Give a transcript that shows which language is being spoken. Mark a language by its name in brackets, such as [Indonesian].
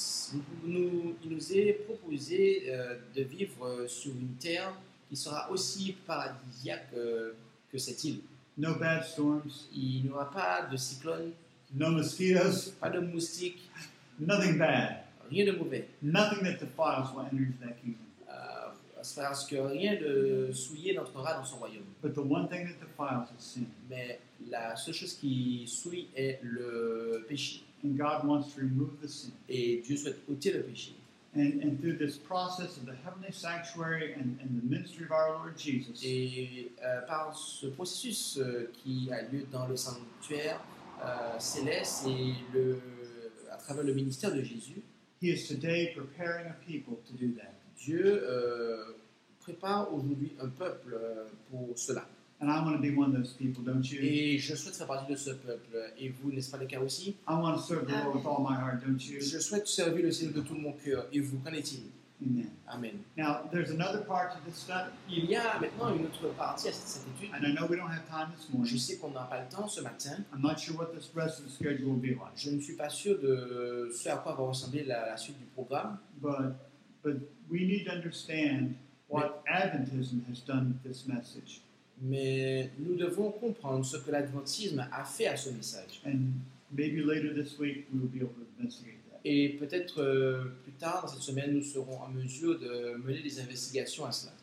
[French] Il nous est proposé de vivre sur une terre qui sera aussi paradisiaque que cette île. [English] No bad storms. [French] Il n'y aura pas de cyclone. [English] No mosquitoes. [French] Pas de moustiques. [English] Nothing bad. [French] Rien de mauvais. [English] Nothing that defiles will enter into that kingdom. [French] Parce que rien de souillé n'entrera dans son royaume. [English] But the one thing that defiles is sin. [French] Mais la seule chose qui souille est le péché. [English] And God wants to remove the sin. [French] Et Dieu souhaite ôter le péché. [English] And through this process of the heavenly sanctuary and the ministry of our Lord Jesus. [French] Et par ce processus qui a lieu dans le sanctuaire céleste et à travers le ministère de Jésus. [English] He is today preparing a people to do that. [French] Dieu prépare aujourd'hui un peuple pour cela. [English] And I want to be one of those people, don't you? [French] Et je souhaite faire partie de ce peuple. Et vous, n'est-ce pas le cas aussi? [English] I want to serve the Lord with all my heart, don't you? [French] Je souhaite servir le Seigneur de tout mon cœur. Et vous, qu'en est-il? Amen. Amen. [English] Now, there's another part to this study. [French] Il y a maintenant une autre partie à cette étude. [English] And I know we don't have time this morning. [French] Je sais qu'on n'a pas le temps ce matin. [English] I'm not sure what the rest of the schedule will be like. [French] Je ne suis pas sûr de ce à quoi va ressembler la suite du programme. [English] But we need to understand what Adventism has done with this message. [French] Mais nous devons comprendre ce que l'adventisme a fait à ce message. [English] And maybe later this week we will be able to investigate that. [French] Et peut-être plus tard dans cette semaine nous serons en mesure de mener des investigations à cela.